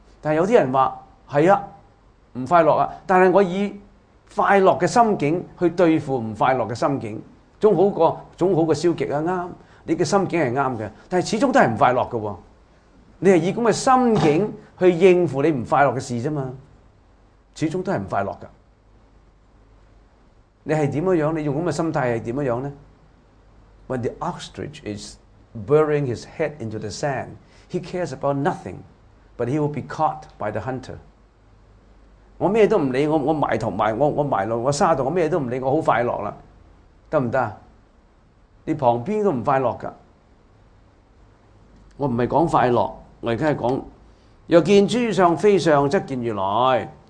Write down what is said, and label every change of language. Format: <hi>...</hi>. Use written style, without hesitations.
<zh>但是有些人說是啊，不快樂，但是我以快樂的心境去對付不快樂的心境，總好過消極，對，你的心境是對的，但是始終都是不快樂的，你是以這樣的心境去應付你不快樂的事，始終都是不快樂的。你是怎樣，你用這樣的心態是怎樣呢？</zh> <en>When the ostrich is burying his head into the sand, he cares about nothing, but he will be caught by the hunter.</en> <zh>我什麼都不理，我埋頭埋我埋落我沙度，我什麼都不理，我很快樂了，得不得？你旁邊都不快樂的。我不是講快樂，我現在是講若見諸相非相，則見如來。</zh>